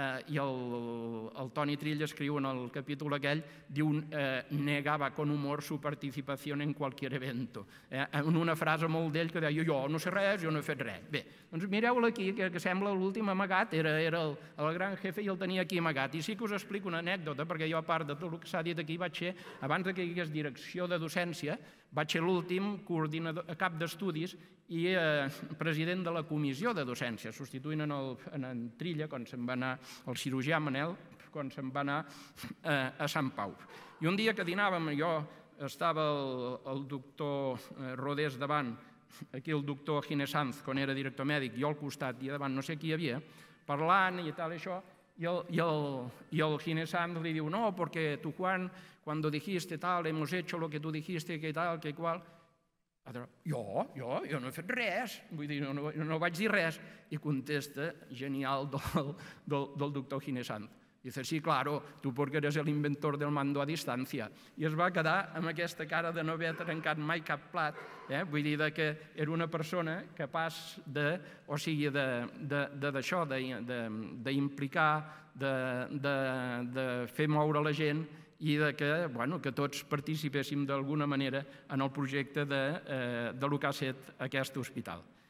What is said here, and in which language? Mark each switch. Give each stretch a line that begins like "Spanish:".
Catalan: I el Toni Trilla escriu en el capítol aquell, diu, negava
Spanish: con humor su participación en cualquier evento.
Catalan: En una frase molt d'ell que deia, jo no sé res, jo no he fet res. Bé, doncs mireu-lo aquí, que sembla l'últim amagat, era el gran jefe i el tenia aquí amagat. I sí que us explico una anècdota, perquè jo, a part de tot el que s'ha dit aquí, vaig ser, abans que hi hagués direcció de docència, vaig ser l'últim coordinador, cap d'estudis i president de la comissió de docència, substituint en Trilla quan se'n va anar el cirurgià Manel, quan se'n va anar a Sant Pau. I un dia que dinàvem, jo estava el doctor Rodés davant, aquí el doctor Gine Sanz, quan era director mèdic, jo al costat i davant no sé qui hi havia, parlant i tal, això, i el Gine Sanz li diu, no, perquè tu quan...
Spanish: Cuando dijiste tal, hemos hecho lo que tú dijiste, que tal, que cual.
Catalan: Jo no he fet res, vull dir, no vaig dir res. I contesta, genial, del doctor Gine Sanz.
Spanish: Dice, sí, claro, tú porque eres el inventor del mando a distancia.
Catalan: I es va quedar amb aquesta cara de no haver trencat mai cap plat, vull dir que era una persona capaç de, o sigui, d'això, d'implicar, de fer moure la gent, i que tots participéssim d'alguna manera en el projecte de lo que ha fet aquest hospital.